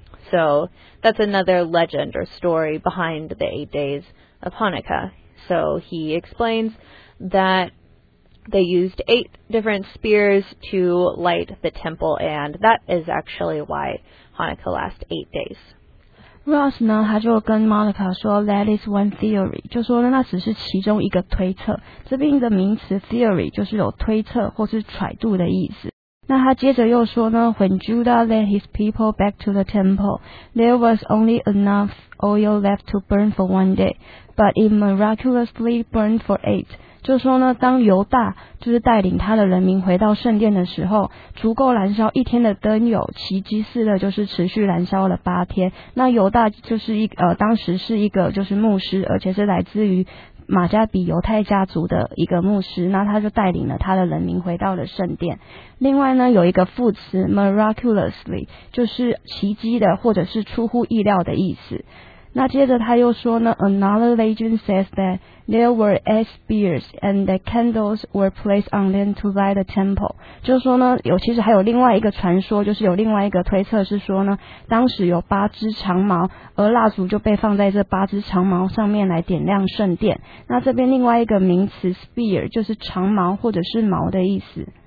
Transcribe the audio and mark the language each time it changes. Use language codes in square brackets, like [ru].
[en] So that's another legend or story behind the 8 days of Hanukkah. So he explains that they used 8 different spears to light the temple, and that is actually why Hanukkah lasts 8 days. [zh] Ross 呢，他就跟 Monica 说 ， [en] That is one theory， [zh] 就说呢，那只是其中一个推测。这边的名词 theory 就是有推测或是揣度的意思。那他接着又说呢 [en] ，When Judah led his people back to the temple, there was only enough oil left to burn for one day, but it miraculously burned for 8. [zh] 就说呢，当犹大就是带领他的人民回到圣殿的时候，足够燃烧一天的灯油，奇迹似的就是持续燃烧了8天。那犹大就是当时是一个就是牧师，而且是来自于马加比犹太家族的一个牧师，那他就带领了他的人民回到了圣殿。另外呢，有一个副词 miraculously， 就是奇迹的或者是出乎意料的意思。那接着他又说呢 [en] ，Another legend says that there were 8 spears and the candles were placed on them to light the temple。 [zh] 就是说呢，其实还有另外一个传说，就是有另外一个推测是说呢，当时有8只长矛，而蜡烛就被放在这8只长矛上面来点亮圣殿。那这边另外一个名词 spear 就是长矛或者是矛的意思。